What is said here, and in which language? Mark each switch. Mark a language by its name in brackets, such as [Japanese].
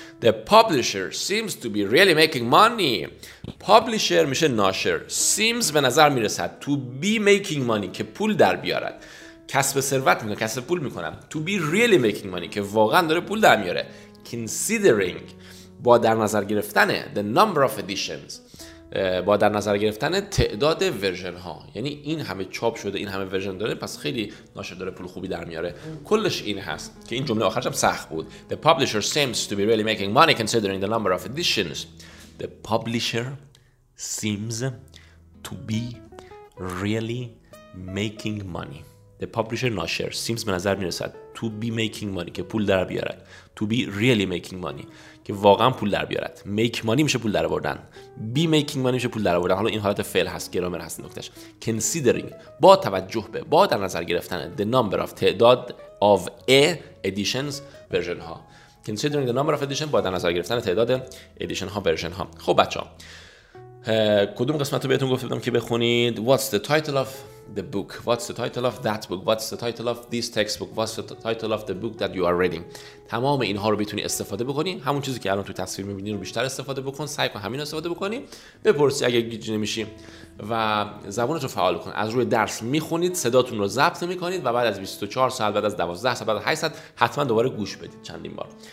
[English] The publisher seems to be really making money. [Persian] Publisher میشه ناشر. [English] Seems [Persian] به نظر میرسد [English] to be making money، [Persian] که پول در بیارد، کسب ثروت میکنه، کسب پول میکنم. [English] To be really making money، [Persian] که واقعا داره پول در میاره. [English] Considering، [Persian] با در نظر گرفتن [English] the number of editions، [Persian] با در نظر گرفتن تعداد ورژن ها، یعنی این همه چاپ شده، این همه ورژن داره، پس خیلی ناشر داره پول خوبی در میاره. کلش این هست که این جمله آخرش هم سخت بود. [English] The publisher seems to be really making money considering the number of editions. The publisher seems to be really making money. The publisher [Persian] ناشر [English] seems [Persian] به نظر میرسد [English] to be making money، [Persian] که پول در بیارد. [English] To be really making money، [Persian] که واقعا پول در بیارد. [English] Make money [Persian] میشه پول در آوردن. [English] Be making money [Persian] میشه پول در آوردن. حالا این حالت فعل هست، گرامر هست نکتهش. [English] Considering، [Persian] با توجه به، با در نظر گرفتن [English] the number of، [Persian] تعداد [English] of a editions، [Persian] ورژن ها. [English] Considering the number of edition، [Persian] با در نظر گرفتن تعداد edition ها، ورژن ها. خب بچه ها، کدوم قسمت رو بهتون گفتم که بخونید؟ [English] What's the title of the book? What's the title of that book? What's the title of this textbook? What's the title of the book that you are reading? [Persian] تمام اینها رو بتونی استفاده بکنی. همون چیزی که الان تو تصویر میبینی رو بیشتر استفاده بکن. سعی کن همین استفاده بکنی. بپرسی اگه گیج نمیشی و زبونت رو فعال کن. از روی درس میخونید، صداتون رو ضبط میکنید و بعد از 24 ساعت، بعد از 12 ساعت، بعد از 8 ساعت حتما دوباره گوش بدید چندین بار.